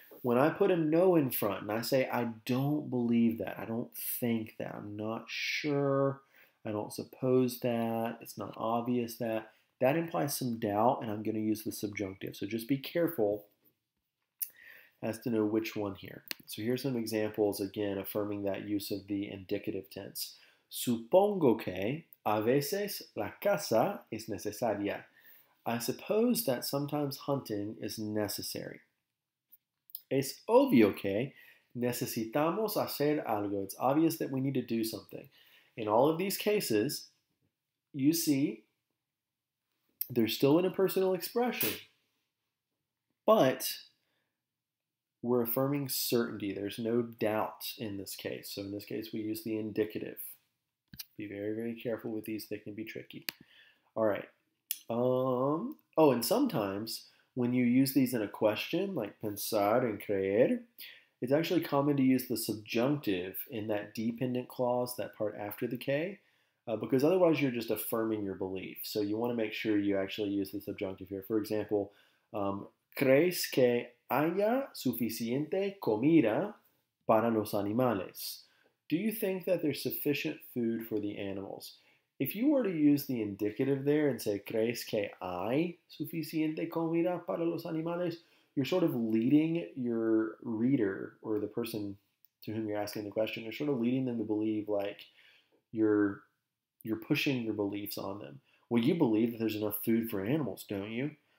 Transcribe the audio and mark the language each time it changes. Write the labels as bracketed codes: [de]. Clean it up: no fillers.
[en] When I put a no in front and I say, I don't believe that, I don't think that, I'm not sure, I don't suppose that, it's not obvious that, that implies some doubt and I'm going to use the subjunctive. So just be careful as to know which one here. So here's some examples, again, affirming that use of the indicative tense. [es] Supongo que a veces la caza es necesaria. [en] I suppose that sometimes hunting is necessary. [es] Es obvio que necesitamos hacer algo. [en] It's obvious that we need to do something. In all of these cases, you see they're still an impersonal expression, but we're affirming certainty. There's no doubt in this case. So in this case, we use the indicative. Be very, very careful with these. They can be tricky. All right. And sometimes when you use these in a question, like pensar and creer, it's actually common to use the subjunctive in that dependent clause, that part after the K, because otherwise you're just affirming your belief. So you want to make sure you actually use the subjunctive here. For example, [es] ¿crees que haya suficiente comida para los animales? [en] Do you think that there's sufficient food for the animals? If you were to use the indicative there and say, [es] ¿crees que hay suficiente comida para los animales? [en] You're sort of leading your reader or the person to whom you're asking the question, you're sort of leading them to believe like you're pushing your beliefs on them. Well, you believe that there's enough food for animals, don't you?